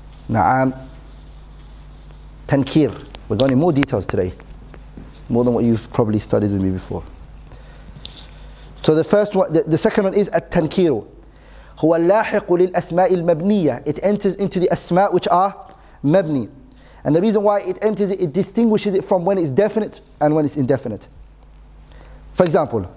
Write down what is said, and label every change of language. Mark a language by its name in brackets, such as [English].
[English] Na'am. Tankir. We're going in more details today. More than what you've probably studied with me before. So the first one, the second one is at-tankiru. [Arabic] هو اللاحق للأسماء المبنية. [English] It enters into the أسماء which are مبني. And the reason why it enters it, it distinguishes it from when it's definite and when it's indefinite. For example,